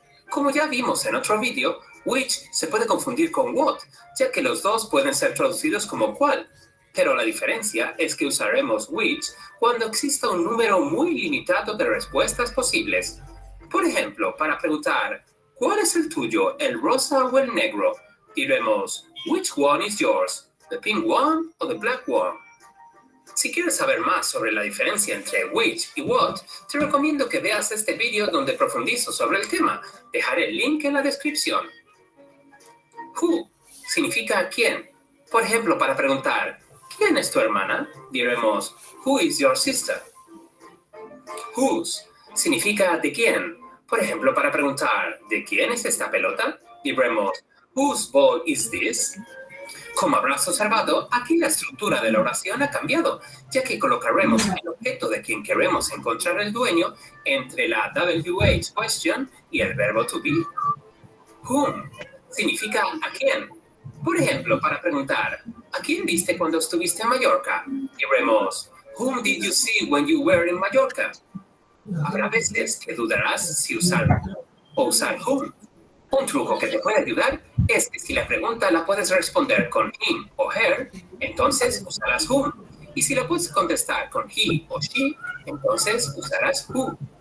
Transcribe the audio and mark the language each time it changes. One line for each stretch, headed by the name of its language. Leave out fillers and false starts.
Spanish: Como ya vimos en otro vídeo, which se puede confundir con what, ya que los dos pueden ser traducidos como cuál. Pero la diferencia es que usaremos which cuando exista un número muy limitado de respuestas posibles. Por ejemplo, para preguntar, ¿cuál es el tuyo, el rosa o el negro? Diremos,
English: which one is yours, the pink one or the black one?
Spanish: Si quieres saber más sobre la diferencia entre which y what, te recomiendo que veas este vídeo donde profundizo sobre el tema. Dejaré el link en la descripción. Who significa quién. Por ejemplo, para preguntar, ¿quién es tu hermana? Diremos,
English: who is your sister?
Spanish: Whose significa de quién. Por ejemplo, para preguntar, ¿de quién es esta pelota? Diremos,
English: whose ball is this?
Spanish: Como habrás observado, aquí la estructura de la oración ha cambiado, ya que colocaremos el objeto de quien queremos encontrar el dueño entre la WH question y el verbo to be. Whom significa a quién. Por ejemplo, para preguntar, ¿a quién viste cuando estuviste en Mallorca? Diremos,
English: whom did you see when you were in Mallorca?
Spanish: Habrá veces que dudarás si usar o usar whom. Un truco que te puede ayudar es que si la pregunta la puedes responder con him o her, entonces usarás whom. Y si la puedes contestar con he o she, entonces usarás who.